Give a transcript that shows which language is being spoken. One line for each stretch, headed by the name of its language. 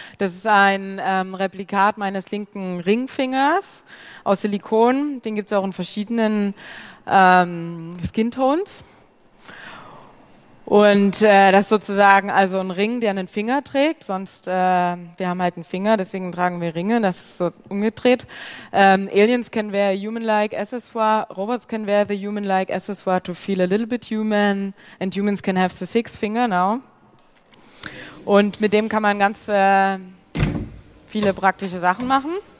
German: Das ist ein Replikat meines linken Ringfingers aus Silikon, den gibt es auch in verschiedenen Skintones. Und das ist sozusagen also ein Ring, der einen Finger trägt, sonst, wir haben halt einen Finger, deswegen tragen wir Ringe, das ist so umgedreht.
English: Aliens can wear a human-like accessoire, robots can wear the human-like accessoire to feel a little bit human, and humans can have the sixth finger now.
German: Und mit dem kann man ganz viele praktische Sachen machen.